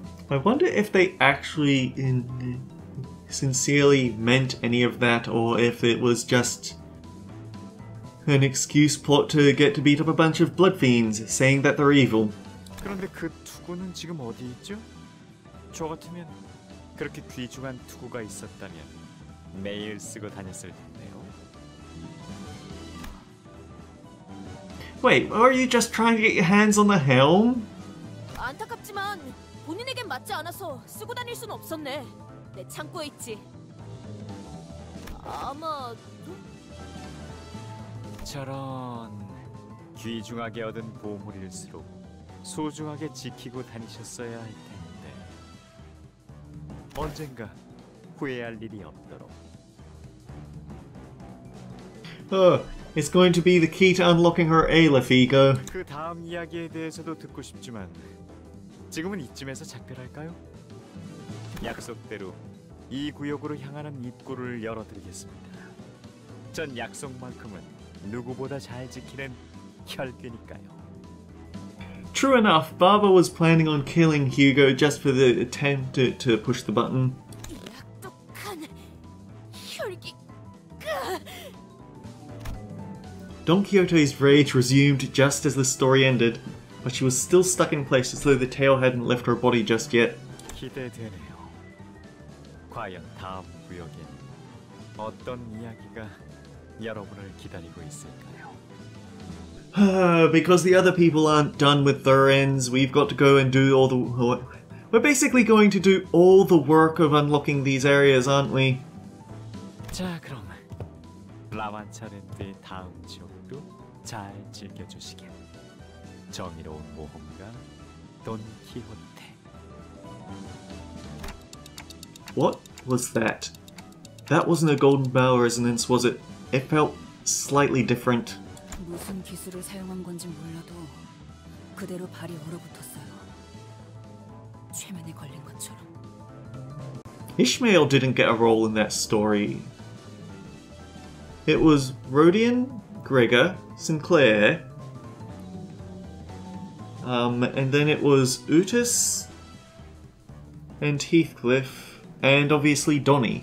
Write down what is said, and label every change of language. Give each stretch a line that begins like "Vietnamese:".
English: I wonder if they actually sincerely meant any of that, or if it was just an excuse plot to get to beat up a bunch of blood fiends, saying that they're evil.
Korean: 그런데 그 투구는 지금 어디 있죠? 저 같으면 그렇게 귀중한 투구가 있었다면 매일 쓰고 다녔을 텐데요.
English: Wait, are you just trying to get your hands on the helm?
Korean: 안타깝지만 본인에겐 맞지 않아서 쓰고 다닐 순 없었네. 내 창고에 있지. 아마도? 저런, 귀중하게 얻은 보물일수록 소중하게 지키고 다니셨어야 할 텐데. 언젠가 후회할 일이 없도록.
English: Oh, it's going to be the key to unlocking her ailiff ego.
Korean: 그 다음 이야기에 대해서도 듣고 싶지만 지금은 이쯤에서 작별할까요? 약속대로 이 구역으로 향하는 입구를 열어드리겠습니다. 전 약속만큼은 누구보다 잘 지키는 혈기니까요.
English: True enough, Barbara was planning on killing Hugo just for the attempt to push the button.
Korean: 약속한 혈기가...
English: Don Quixote's rage resumed just as the story ended, but she was still stuck in place as though the tail hadn't left her body just yet.
Korean: 기대되네요. 과연 다음 구역엔 어떤 이야기가 여러분을 기다리고 있을까요?
English: Because the other people aren't done with their ends, we've got to go and do all the... We're basically going to do all the work of unlocking these areas, aren't we?
Korean: 자, 그럼 라만차렌드의 다음 지역도 잘 즐겨주시길. 정의로운 모험가 돈키호테.
English: What was that? That wasn't a golden bell resonance, was it? It felt slightly different.
Korean: 무슨 기술을 사용한 건지 몰라도 그대로 발이 얼어붙었어요. 최면에 걸린 것처럼.
English: Ishmael didn't get a role in that story. It was Rodian, Gregor, Sinclair, and then it was Utis and Heathcliff, and obviously Donny.